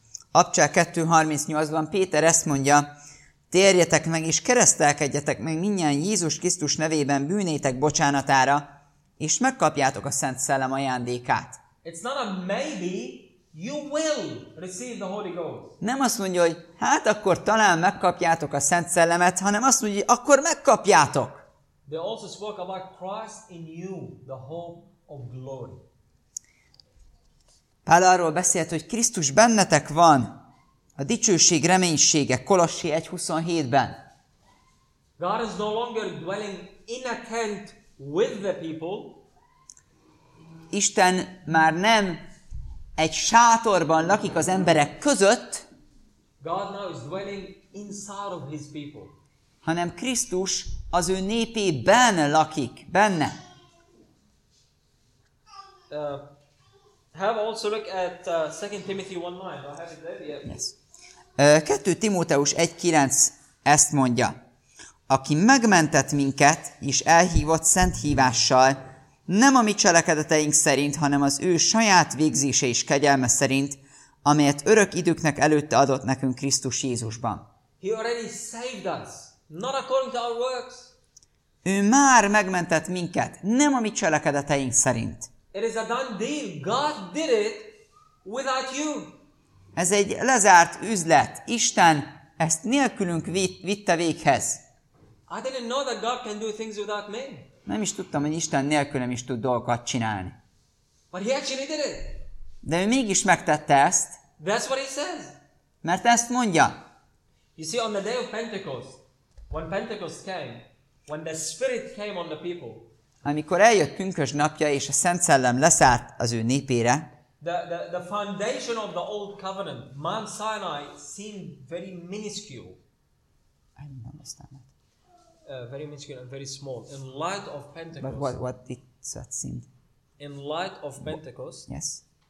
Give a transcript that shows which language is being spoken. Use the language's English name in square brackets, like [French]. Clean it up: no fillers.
[Hungarian] Apcsák 2:38-ban Péter ezt mondja, térjetek meg és keresztelkedjetek meg mindjárt Jézus Krisztus nevében bűnétek bocsánatára, és megkapjátok a Szent Szellem ajándékát. [English] It's not a maybe. You will receive the Holy Ghost. [Hungarian] Nem azt mondja, hogy hát akkor talán megkapjátok a Szent Szellemet, hanem azt mondja, hogy akkor megkapjátok. [English] They also spoke about Christ in you, the hope of glory. [Hungarian] Pál arról beszélt, hogy Krisztus bennetek van, a dicsőség reménysége, Kolossi 1:27-ben. [English] God is no longer dwelling in a tent with the people. [Hungarian] Isten már nem egy sátorban lakik az emberek között, [English] God now is dwelling inside of his people. [Hungarian] Hanem Krisztus az ő népében lakik, benne. [English] Have also look at 2 Timothy 1:9. I have it there. Yep. [Hungarian] Yes. 2 Timóteus 1:9 ezt mondja. Aki megmentett minket és elhívott szent hívással, nem a mi cselekedeteink szerint, hanem az ő saját végzése és kegyelme szerint, amelyet örök időknek előtte adott nekünk Krisztus Jézusban. [English] He already saved us, not according to our works. [Hungarian] Ő már megmentett minket, nem a mi cselekedeteink szerint. [English] It is a done deal. God did it without you. [Hungarian] Ez egy lezárt üzlet. Isten ezt nélkülünk vitte véghez. [English] I didn't know that God can do things without me. [Hungarian] Nem is tudtam, hogy Isten nélkülem is tud dolgokat csinálni. [English] But he actually did it. [Hungarian] De ő mégis megtette ezt. [English] That's what he says. [Hungarian] Mert ezt mondja. [English] You see, on the day of Pentecost, when Pentecost came, when the Spirit came on the people. [Hungarian] Amikor eljött Pünkösd napja, és a Szent Szellem leszállt az ő népére. [English] The foundation of the old covenant, Mount Sinai, seemed very minuscule. I don't understand that. Very minuscule and very small. In light of Pentecost. But what did that seem? In light of Pentecost. Yes.